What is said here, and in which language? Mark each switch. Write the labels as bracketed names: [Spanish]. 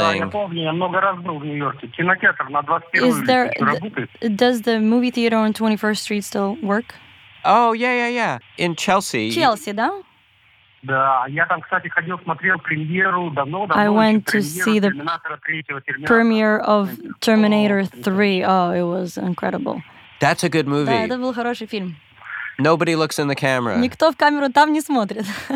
[Russian] Да, я помню, я много раз был в Нью-Йорке. Кинотеатр на 21-й улице работает. [English] Does the movie theater on 21st Street still work? Oh, yeah. In Chelsea. [Russian] Chelsea, да? Да, я там, кстати, ходил, смотрел премьеру давно. [English] I went to see the premiere of Terminator 3. Oh, it was incredible. That's a good movie. [Russian] Да, это был хороший фильм. [English] Nobody looks in the camera. [Russian] Никто в камеру там не смотрит.